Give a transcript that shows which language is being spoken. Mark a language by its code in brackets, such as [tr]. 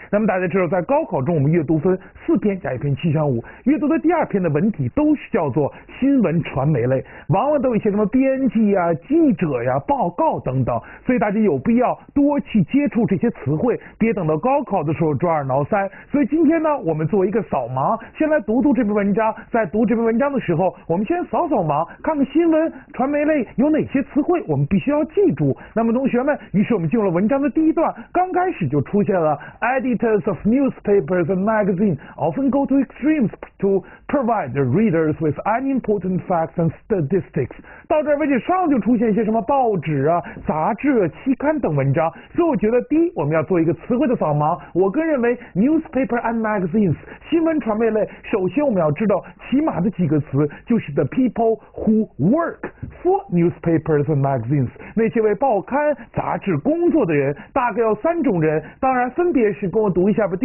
[zh] 那么大家知道，在高考中我们阅读分四篇，甲乙篇七项五，阅读的第二篇的文体都是叫做新闻传媒类，往往都有一些什么编辑啊、记者呀、报告等等，所以大家有必要多去接触这些词汇，别等到高考的时候抓耳挠腮。所以今天呢，我们做一个扫盲，先来读读这篇文章，在读这篇文章的时候，我们先扫扫盲，看看新闻传媒类有哪些词汇我们必须要记住。那么同学们，于是我们进入了文章的第一段，刚开始就出现了 [en] Editors of newspapers and magazines often go to extremes to provide the readers with unimportant facts and statistics。 [zh] 到这儿为止，上就出现一些什么报纸啊、杂志啊、期刊等文章，所以我觉得第一，我们要做一个词汇的扫盲。我个人认为 [en] newspaper and magazines [zh] 新闻传媒类，首先我们要知道起码的几个词，就是 [en] the people who work for newspapers and magazines， [zh] 那些为报刊杂志工作的人，大概有三种人，当然分别是，跟我读一下吧。